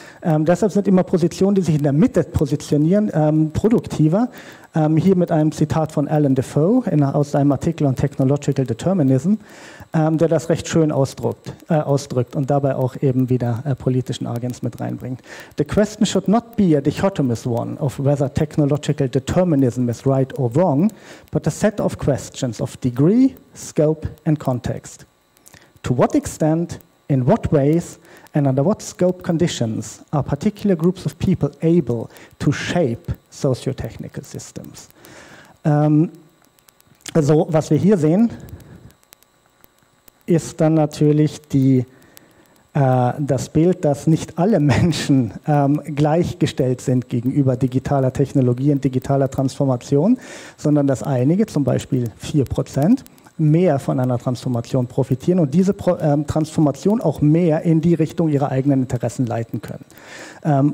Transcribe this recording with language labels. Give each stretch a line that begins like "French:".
German: Deshalb sind immer Positionen, die sich in der Mitte positionieren, produktiver. Hier mit einem Zitat von Alan Defoe aus seinem Artikel on Technological Determinism, der das recht schön ausdrückt und dabei auch eben wieder politischen Agens mit reinbringt.
English: The question should not be a dichotomous one of whether technological determinism is right or wrong, but a set of questions of degree, scope and context. To what extent, in what ways and under what scope conditions are particular groups of people able to shape socio-technical systems?
German: Also was wir hier sehen, ist dann natürlich die das Bild, dass nicht alle Menschen gleichgestellt sind gegenüber digitaler Technologie und digitaler Transformation, sondern dass einige, zum Beispiel 4%, mehr von einer Transformation profitieren und diese Transformation auch mehr in die Richtung ihrer eigenen Interessen leiten können.